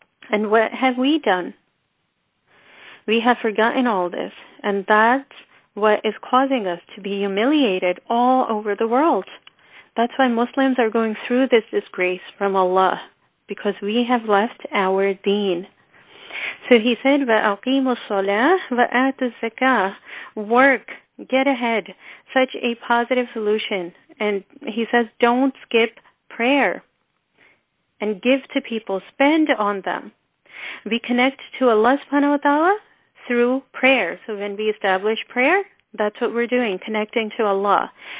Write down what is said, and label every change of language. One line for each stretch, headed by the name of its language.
English: And what have we done? We have forgotten all this, and that's what is causing us to be humiliated all over the world. That's why Muslims are going through this disgrace from Allah, because we have left our deen.
Arabic: So he said, وَأَقِيمُوا الصَّلَاةَ وَآتُوا الزَّكَاةَ.
English: Work. Get ahead. Such a positive solution. And he says, don't skip prayer. And give to people. Spend on them. We connect to Allah subhanahu wa ta'ala through prayer. So when we establish prayer, that's what we're doing, connecting to Allah.